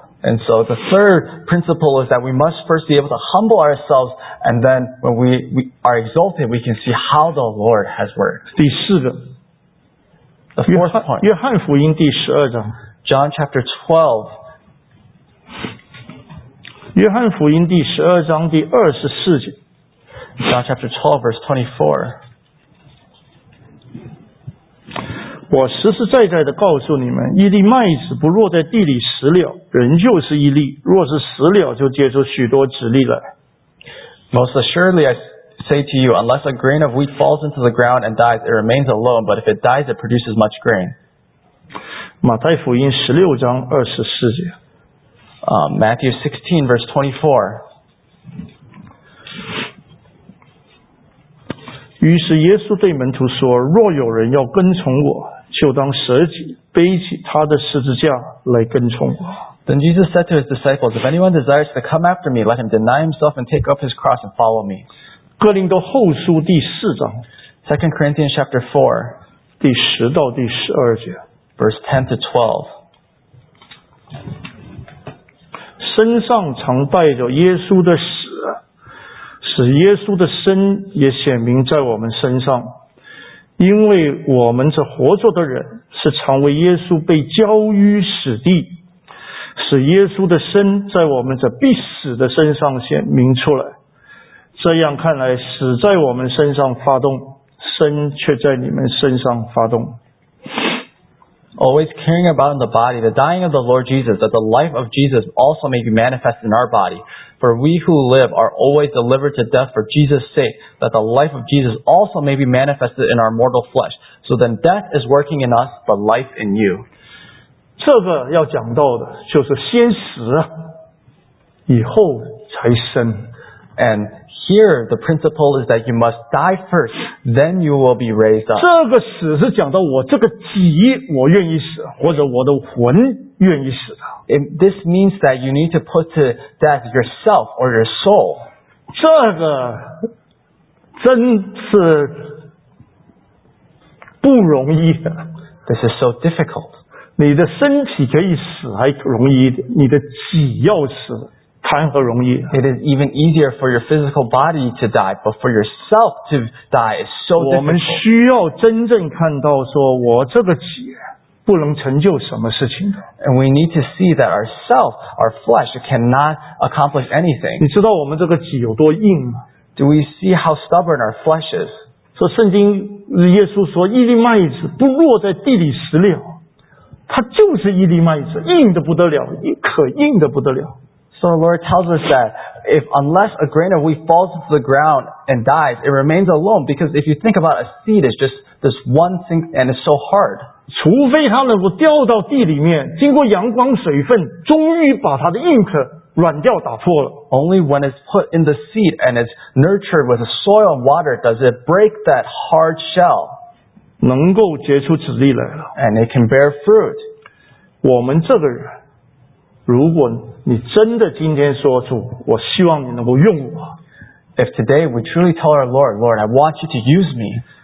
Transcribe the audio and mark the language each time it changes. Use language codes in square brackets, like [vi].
[en] And so the third principle is that we must first be able to humble ourselves, and then when we are exalted, we can see how the Lord has worked. [zh] 第四个。 [en] The fourth point. [zh] 约翰福音第十二章 [en] John chapter 12. [zh] 约翰福音第十二章第二十四节 [en] John chapter 12 verse 24. [zh] 我实实在在的告诉你们，一粒麦子不落在地里死了，仍旧是一粒，若是死了，就结出许多子粒来。 [en] Most assuredly I say to you, unless a grain of wheat falls into the ground and dies, it remains alone, but if it dies, it produces much grain. [zh] 马太福音十六章二十四节 [en] Matthew 16 verse 24. [zh] 于是耶稣对门徒说，若有人要跟从我，就当舍己，背起他的十字架来跟从我。 [en] Then Jesus said to his disciples, if anyone desires to come after me, let him deny himself and take up his cross and follow me. [zh] 哥林多后书第四章 [en] Second Corinthians chapter 4 [zh] 第十到第十二节 [en] Verse 10 to 12 [zh] 身上常带着耶稣的死使耶稣的身也显明在我们身上因为我们这活着的人是常为耶稣被交于死地使耶稣的身在我们这必死的身上显明出来这样看来死在我们身上发动生却在你们身上发动 [en] Always caring about the body the dying of the Lord Jesus that the life of Jesus also may be manifest in our body for we who live are always delivered to death for Jesus' sake that the life of Jesus also may be manifested in our mortal flesh so then death is working in us but life in you [zh] 这个要讲到的就是先死以后才生 [en] andHere, the principle is that you must die first, then you will be raised up. [zh] 这个死是讲到我这个己我愿意死或者我的魂愿意死的。 [en] This means that you need to put to death yourself or your soul. [zh] 这个真是不容易的。 [en] This is so difficult. [zh] 你的身体可以死还容易一点你的己要死。 [en] It is even easier for your physical body to die, but for yourself to die is so difficult. [zh] 我们需要真正看到说我这个己不能成就什么事情。 [en] And we need to see that ourself, our flesh, cannot accomplish anything. [zh] 你知道我们这个己有多硬吗? [en] Do we see how stubborn our flesh is? [zh] 说圣经耶稣说一粒麦子不落在地里死了。它就是一粒麦子硬得不得了可硬得不得了。 [en] So the Lord tells us that if unless a grain of wheat falls to the ground and dies, it remains alone. Because if you think about a seed, it's just this one thing and it's so hard. [zh] 除非它能够掉到地里面，经过阳光水分，终于把它的硬壳软掉打破了。 [en] Only when it's put in the seed and it's nurtured with the soil and water does it break that hard shell. [zh] 能够结出籽粒来了。 [en] And it can bear fruit. [zh] 我们这个人如果你真的今天说出，我希望你能够用我。 [en] If today we truly tell our Lord, Lord, I want you to use me.